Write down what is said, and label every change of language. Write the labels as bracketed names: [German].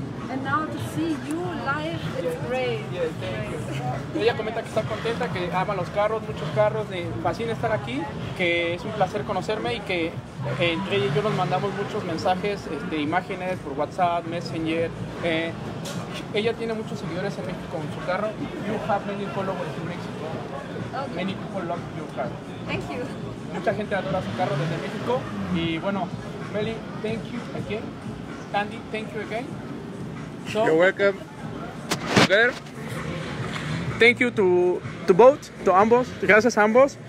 [English] And now to see you live, it's great. Yes, thank you. [Spanish] Ella comenta que está contenta, que ama los carros, muchos carros, le fascina estar aquí, que es un placer conocerme y que entre ella y yo nos mandamos muchos mensajes, imágenes por WhatsApp, Messenger. Ella tiene muchos seguidores en México con su carro. [English] You have many followers in Mexico. Okay. Many people love your car. Thank you. [Spanish] Mucha gente adora su carro desde México. Y bueno, [English] Meli, thank you again. Andy, thank you again. So, you're welcome. together. Thank you to both, to ambos. [Spanish] Gracias a ambos.